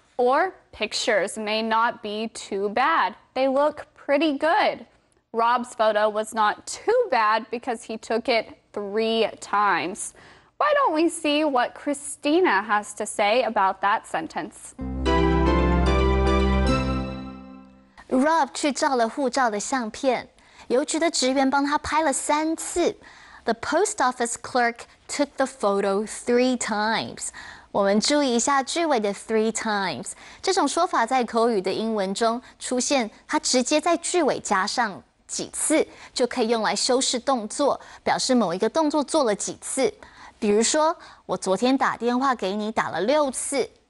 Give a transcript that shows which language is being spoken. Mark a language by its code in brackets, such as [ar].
[en] Or pictures may not be too bad. They look pretty good. Rob's photo was not too bad because he took it 3 times. Why don't we see what Christina has to say about that sentence? [zh] Rob 去照了护照的相片，邮局的职员帮他拍了三次。 [en] The post office clerk took the photo 3 times. [zh] 我们注意一下句尾的 3 times. 这种说法在口语的英文中出现，它直接在句尾加上几次，就可以用来修饰动作，表示某一个动作做了几次。比如说，我昨天打电话给你打了6次。